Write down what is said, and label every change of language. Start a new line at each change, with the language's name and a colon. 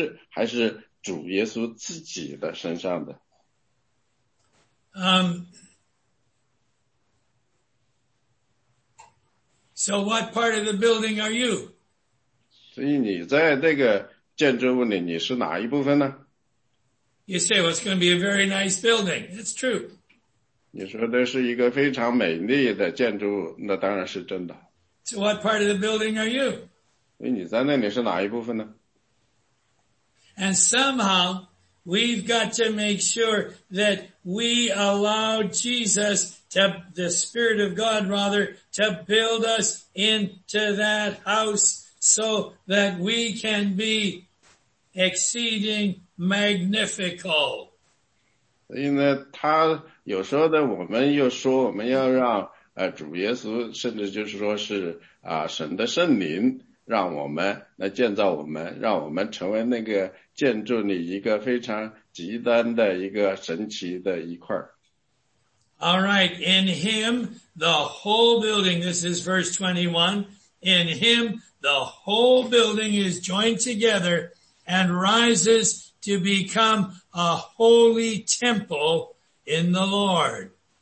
Chinese: 自己为房角石，这就是说呢，神把这个建筑是建造在哪里？建造使徒、先知，还是主耶稣自己的身上的？
English: So what part of the building are you?
Chinese: 所以你在这个建筑物里，你是哪一部分呢？
English: You say it's going to be a very nice building. It's true.
Chinese: 你说的是一个非常美丽的建筑物，那当然是真的。
English: So what part of the building are you?
Chinese: 所以你在那里是哪一部分呢？
English: And somehow, we've got to make sure that we allow Jesus, the Spirit of God rather, to build us into that house so that we can be exceeding magnifical.
Chinese: 所以呢，他 有时候呢，我们又说我们要让主耶稣，甚至就是说是神的圣灵，让我们来建造我们，让我们成为那个建筑里一个非常极端的一个神奇的一块。
English: All right, in him, the whole building, this is verse 21. In him, the whole building is joined together and rises to become a holy temple in the Lord.